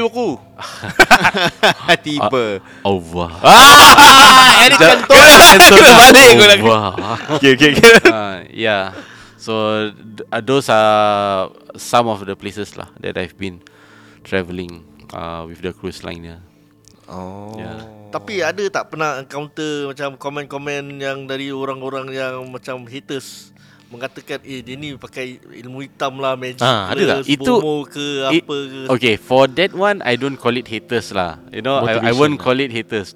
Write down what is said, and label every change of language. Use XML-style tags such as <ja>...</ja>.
<fr>beaucoup. Tiba. Au revoir. Ah,</fr> <ms>Eric Cantona. Balik aku lagi. Okay. Yeah.</ms> <en>So those are some of the places lah that I've been traveling with the cruise line.</en> <ms>Tapi ada tak pernah encounter macam komen-komen yang dari orang-orang yang macam haters mengatakan dia ni pakai ilmu hitam lah, magic ha, ada ke, tak? Itu ke apa ke?</ms> <en>Okay, for that one I don't call it haters lah. You know, I won't call it haters.</en>